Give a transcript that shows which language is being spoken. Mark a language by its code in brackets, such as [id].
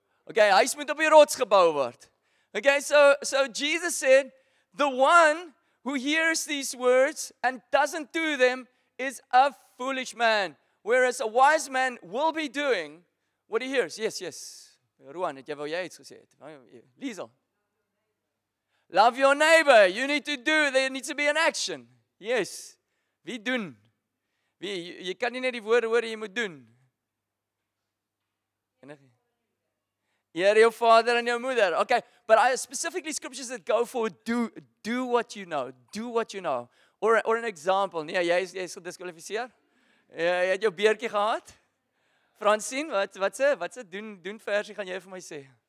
[af] Okay, huis moet op die rots gebou word. [en] Okay, so Jesus said, the one who hears these words and doesn't do them is a foolish man. Whereas a wise man will be doing what he hears. Yes, yes. [af] Ruan, het jy wou jy iets gesê het? [en] Liesel. Love your neighbor. You need to do. There needs to be an action. [af] Yes. Wie doen? Wie? Jy kan nie net die woorde hoor, jy moet doen. Eer jou vader en jou moeder. Okay. [en] But I specifically scriptures that go for do what you know. Do what you know. Or an example. [af] Nee, jy is gedisqualifiseer. Ja, jy het jou beertjie gehad. Francine, wat se doen versie gaan jy vir my sê?